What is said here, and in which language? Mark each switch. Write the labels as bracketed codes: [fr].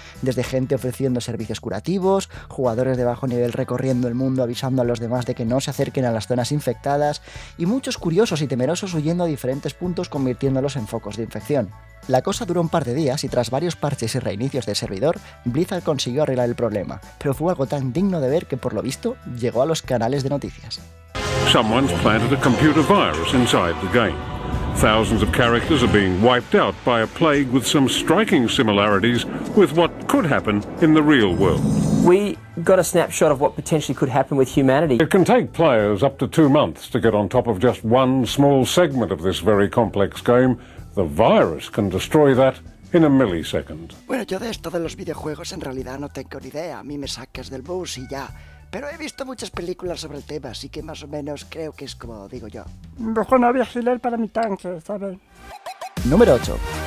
[es] Desde gente ofreciendo servicios curativos, jugadores de bajo nivel recorriendo el mundo avisando a los demás de que no se acerquen a las zonas infectadas, y muchos curiosos y temerosos huyendo a diferentes puntos convirtiéndolos en focos de infección. La cosa duró un par de días y tras varios parches y reinicios del servidor, Blizzard consiguió arreglar el problema, pero fue algo tan digno de ver que por lo visto llegó a los canales de noticias. [en] Someone's planted a computer virus inside the game. Thousands of characters are being wiped out by a plague with some striking similarities with what could happen in the real world. We got a snapshot of what potentially could happen with humanity. It can take players up to 2 months to get on top of just one small segment of this very complex game. The virus can destroy that in a millisecond. [es] Bueno, yo de esto de los videojuegos en realidad no tengo ni idea. A mí me saques del bus y ya. Pero he visto muchas películas sobre el tema, así que más o menos creo que es como digo yo. Mejor no había alquiler para mi tanque, ¿sabes? Número 8.